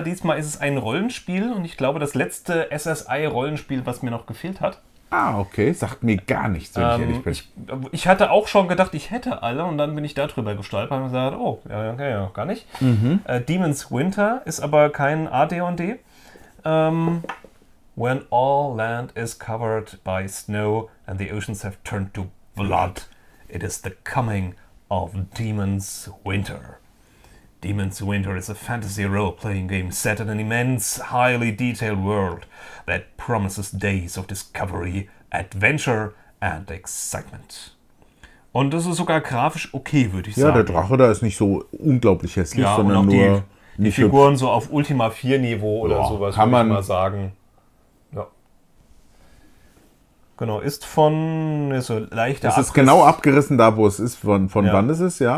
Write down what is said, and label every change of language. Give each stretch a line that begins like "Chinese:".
German: Diesmal ist es ein Rollenspiel. Und ich glaube, das letzte SSI-Rollenspiel, was mir noch gefehlt hat. Ah, okay. Sagt mir gar nichts, wenn ich ehrlich bin. Ich hatte auch schon gedacht, ich hätte alle und dann bin ich darüber gestolpert und gesagt, oh, ja, okay, ja, gar nicht. Mhm. Demon's Winter ist aber kein AD&D.
English: When all land is covered by snow and the oceans have turned to blood, it is the coming of Demon's Winter. Demon's Winter is a fantasy role-playing game set in an immense, highly detailed world that promises days of discovery, adventure and excitement.
German: Und das ist sogar grafisch okay, würde ich sagen. Ja, der Drache da ist nicht so unglaublich hässlich, ja, sondern nur... Die Figuren so auf Ultima 4 Niveau oder sowas, kann man mal sagen. Ja. Genau, ist von... Ist so leichter Abriss. Es ist genau abgerissen da, wo es ist, von ja. Wann es ist, ja.